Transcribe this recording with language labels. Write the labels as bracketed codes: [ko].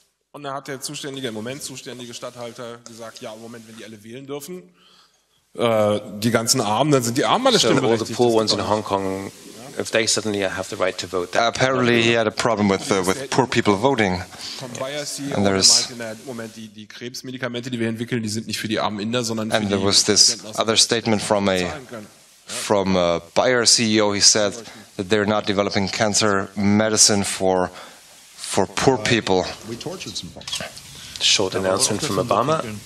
[de] Und dann hat der zuständige, im Moment zuständige Stadthalter gesagt, ja, im Moment, wenn die alle wählen dürfen, die ganzen Armen, dann sind die Armen alle stimmberechtigt. [en] So all the poor ones in Hong Kong, if they suddenly have the right to vote. Apparently he had a problem with poor people voting. And there is... [de] Moment, die Krebsmedikamente, die wir entwickeln, die sind nicht für die armen Inder, sondern für die... [en] And there was this other statement from a Bayer CEO, he said that they're not developing cancer medicine for poor people. Short announcement from Obama.